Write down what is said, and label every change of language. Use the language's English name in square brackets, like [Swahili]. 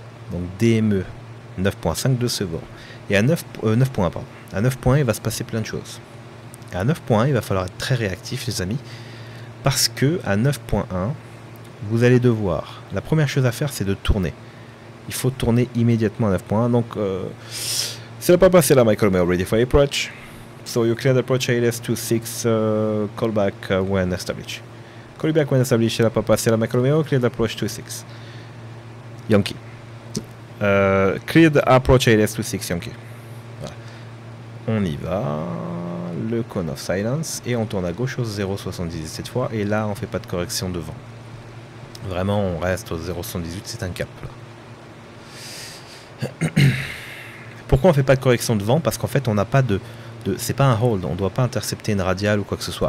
[French] Donc DME 9.5 de ce Vor. Et à 9.1, il va se passer plein de choses. Et à 9.1, il va falloir être très réactif, les amis. Parce que à 9.1, vous allez devoir... La première chose à faire, c'est de tourner. Il faut tourner immédiatement à 9.1. Donc, c'est pas passé là, Michael. [English] We're ready for approach. So you clear the approach ALS 26, call back when established. Call back when established, [French] c'est la papa, c'est la Michael Romeo, [English] clear the approach 26. Yankee. Clear the approach ALS 26, Yankee. [French] Voilà. On y va, le cone of silence, et on tourne à gauche au 0,78 cette fois, et là on fait pas de correction devant. Vraiment, on reste au 0,78, c'est un cap là. Pourquoi on fait pas de correction devant? Parce qu'en fait on n'a pas de, c'est pas un hold, on doit pas intercepter une radiale ou quoi que ce soit.